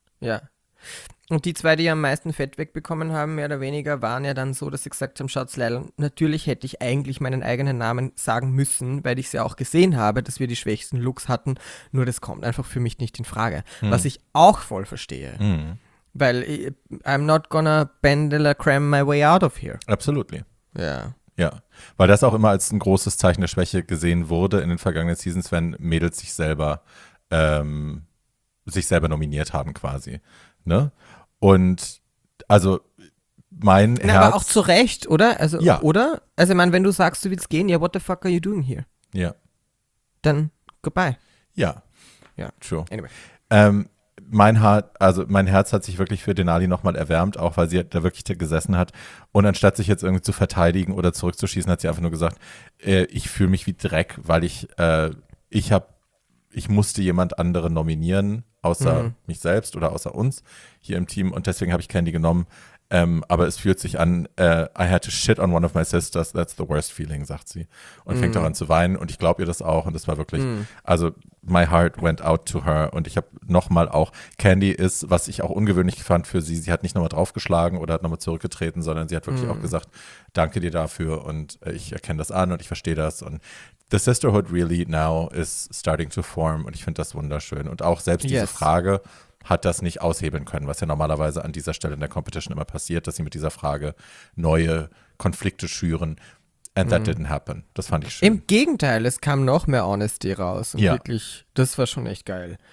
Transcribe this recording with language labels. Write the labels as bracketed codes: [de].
[de] Ja. Und die 2, die am meisten Fett wegbekommen haben, mehr oder weniger, waren ja dann so, dass sie gesagt haben, schaut's, Leila, natürlich hätte ich eigentlich meinen eigenen Namen sagen müssen, weil ich es ja auch gesehen habe, dass wir die schwächsten Looks hatten. Nur das kommt einfach für mich nicht in Frage. Hm. Was ich auch voll verstehe. Hm. [en] Weil I'm not gonna bendela cram my way out of here. Absolutely. [de] Ja. Ja, weil das auch immer als ein großes Zeichen der Schwäche gesehen wurde in den vergangenen Seasons, wenn Mädels sich selber nominiert haben quasi, ne? Und also mein Herz. Aber auch zu Recht, oder? Also, ja. Oder? Also ich meine, wenn du sagst, du willst gehen, ja, [en] what the fuck are you doing here? [de] Ja. Dann goodbye. Ja. Ja, [en] true. Anyway. [de] Mein Herz hat sich wirklich für Denali nochmal erwärmt, auch weil sie da wirklich gesessen hat. Und anstatt sich jetzt irgendwie zu verteidigen oder zurückzuschießen, hat sie einfach nur gesagt, ich fühle mich wie Dreck, weil ich musste jemand anderen nominieren außer mich selbst oder außer uns hier im Team. Und deswegen habe ich Candy genommen. Aber es fühlt sich an, [en] I had to shit on one of my sisters, that's the worst feeling, [de] sagt sie. Und fängt daran zu weinen. Und ich glaube ihr das auch. Und das war wirklich, also [en] my heart went out to her. [de] Und ich habe nochmal auch, Candy ist, was ich auch ungewöhnlich fand für sie, sie hat nicht nochmal draufgeschlagen oder hat nochmal zurückgetreten, sondern sie hat wirklich auch gesagt, danke dir dafür. Und ich erkenne das an und ich verstehe das. [en] Und the sisterhood really now is starting to form. [de] Und ich finde das wunderschön. Und auch selbst diese Frage hat das nicht aushebeln können, was ja normalerweise an dieser Stelle in der Competition immer passiert, dass sie mit dieser Frage neue Konflikte schüren. [en] And that didn't happen. [de] Das fand ich schön. Im Gegenteil, es kam noch mehr Honesty raus. Und wirklich, das war schon echt geil.